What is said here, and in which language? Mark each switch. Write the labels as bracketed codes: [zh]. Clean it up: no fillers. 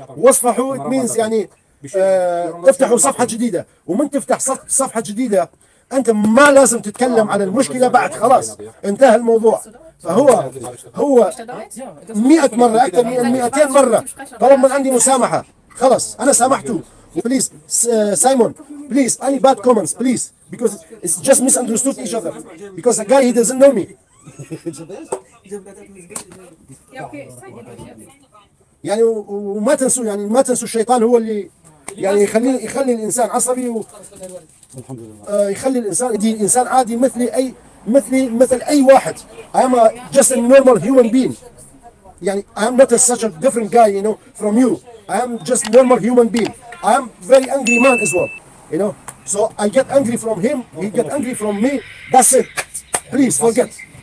[ar] وصفحو, [en] it means, [ar] يعني, تفتحوا صفحة جديدة. ومن تفتح صفحة جديدة, أنت ما لازم تتكلم على المشكلة بعد, خلاص, انتهى الموضوع. فهو 100 مرة, أكثر من 200 مرة, طلب من عندي مسامحة. خلاص, أنا سامحته. [en] Please, Simon, please, any bad comments, please, because it's just misunderstood each other, because the guy, he doesn't know me. [ar] يعني وما تنسوا, يعني ما تنسوا الشيطان هو اللي, يعني يخلي الإنسان عصبي, يخلي الإنسان, دي الإنسان عادي مثل أي واحد. [en] I am just a normal human being. يعني I am not such a different guy, you know, from you. I am just a normal human being. I am very angry man as well, you know. So I get angry from him, he get angry from me. That's it. Please forget.